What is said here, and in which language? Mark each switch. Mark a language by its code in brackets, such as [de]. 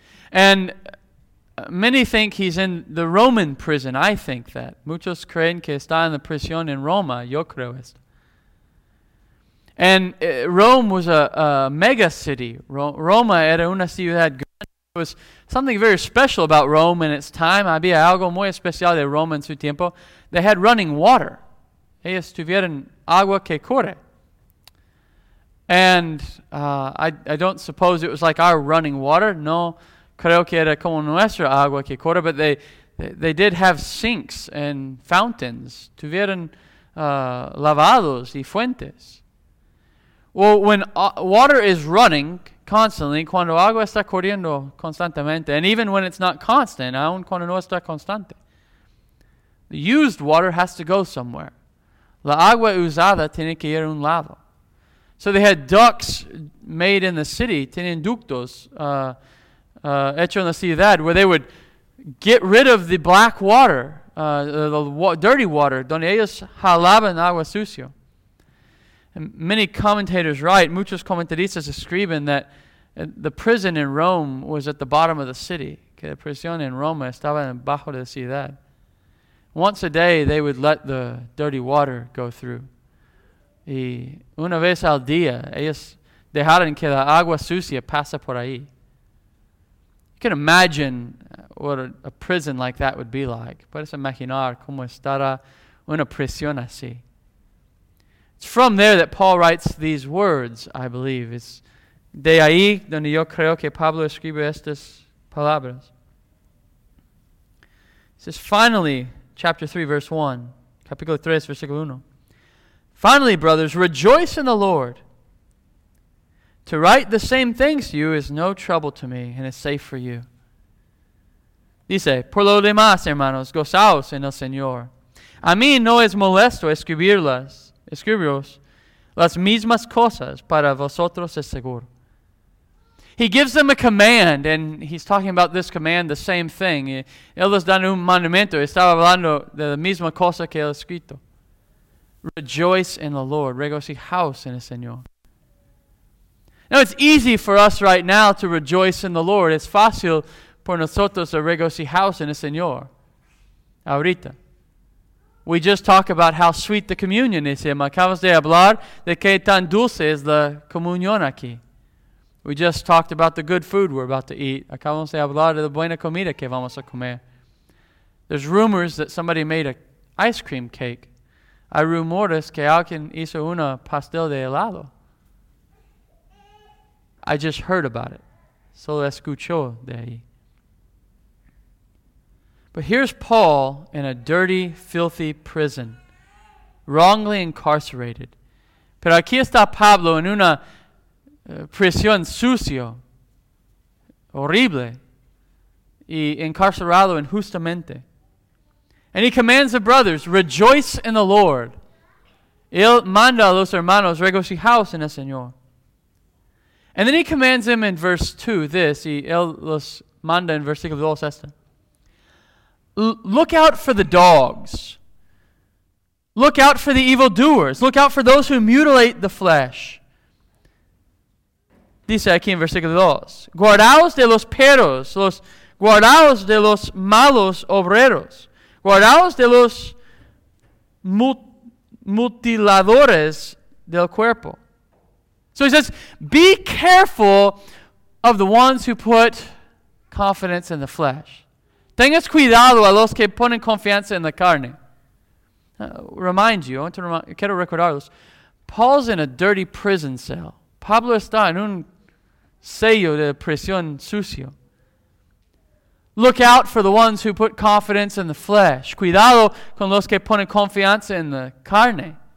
[en] And many think he's in the Roman prison. I think that. [es] Muchos creen que está en la prisión en Roma. Yo creo esto. [en] And Rome was a mega city. [es] Roma era una ciudad grande. [en] It was something very special about Rome in its time. [es] Había algo muy especial de Roma en su tiempo. [en] They had running water. [es] Ellos tuvieron agua que corre. [en] And I don't suppose it was like our running water. [es] No, creo que era como nuestra agua que corre. [en] But they did have sinks and fountains. [es] Tuvieron lavados y fuentes. [en] Well, when water is running constantly, [es] cuando agua está corriendo constantemente, [en] and even when it's not constant, [es] aun cuando no está constante, [en] the used water has to go somewhere. [es] La agua usada tiene que ir a un lado. [en] So they had ducts made in the city, [es] tienen ductos hecho en la ciudad, [en] where they would get rid of the black water, dirty water, [es] donde ellos jalaban agua sucio. [en] Many commentators write, [es] muchos comentaristas escriben, [en] that the prison in Rome was at the bottom of the city. [es] Que la prisión en Roma estaba en bajo de la ciudad. [en] Once a day, they would let the dirty water go through. [es] Y una vez al día, ellos dejaron que la agua sucia pase por ahí. [en] You can imagine what a prison like that would be like. [es] Puedes imaginar cómo estará una prisión así. [en] It's from there that Paul writes these words, I believe. [es] It's de ahí donde yo creo que Pablo escribe estas palabras. [en] It says, finally, chapter 3, verse 1, [es] capítulo 3, versículo 1. [en] Finally, brothers, rejoice in the Lord. To write the same things to you is no trouble to me and is safe for you. [es] Dice, por lo demás, hermanos, gozaos en el Señor. A mí no es molesto escribirlas. Escribiros las mismas cosas para vosotros es seguro. [en] He gives them a command, and he's talking about this command, the same thing. [es] Él les da un mandamiento, estaba hablando de la misma cosa que él escrito. [en] Rejoice in the Lord, [es] regocijaos en el Señor. [en] Now it's easy for us right now to rejoice in the Lord. [es] Es fácil por nosotros a regocijaos en el Señor. Ahorita. [en] We just talk about how sweet the communion is. [es] Me acabas de hablar de que tan dulce es la comunión aquí. [en] We just talked about the good food we're about to eat. [es] Acabamos de hablar de la buena comida que vamos a comer. [en] There's rumors that somebody made an ice cream cake. [es] Hay rumores que alguien hizo una pastel de helado. [en] I just heard about it. [es] Solo escucho de ahí. [en] But here's Paul in a dirty, filthy prison, wrongly incarcerated. [es] Pero aquí está Pablo en una prisión sucio, horrible, y encarcerado injustamente. [en] And he commands the brothers, rejoice in the Lord. [es] Él manda a los hermanos, regocijaos en el Señor. [en] And then he commands them in verse 2, this, [es] y él los manda en versículo 2, esta. [en] Look out for the dogs. Look out for the evildoers. Look out for those who mutilate the flesh. [es] Dice aquí en versículo 2. Guardaos de los perros. Guardaos de los malos obreros. Guardaos de los mutiladores del cuerpo. [en] So he says, be careful of the ones who put confidence in the flesh. [es] Tengas cuidado a los que ponen confianza en la carne. [en] Remind you, [es] quiero recordarlos. [en] Paul's in a dirty prison cell. [es] Pablo está en un sello de prisión sucio. [en] Look out for the ones who put confidence in the flesh. [es] Cuidado con los que ponen confianza en la carne.